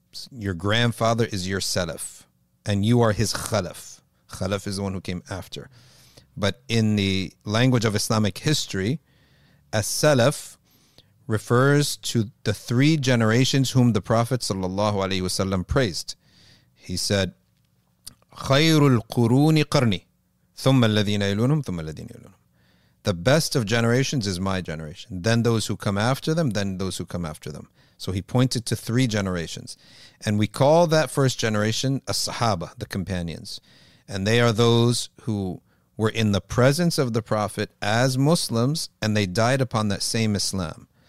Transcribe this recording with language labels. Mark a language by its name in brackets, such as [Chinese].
[English] Your grandfather is your salaf, and you are his khalaf. Khalaf is the one who came after. But in the language of Islamic history, a salaf refers to the three generations whom the Prophet sallallahu alaihi wasallam praised. [Arabic] He said, "خير القرون قرني ثم الذين يلونهم ثم الذين يلونهم." [English] the best of generations is my generation. Then those who come after them, then those who come after them. So he pointed to three generations. And we call that first generation as-sahaba, the companions. And they are those who were in the presence of the Prophet as Muslims, and they died upon that same Islam.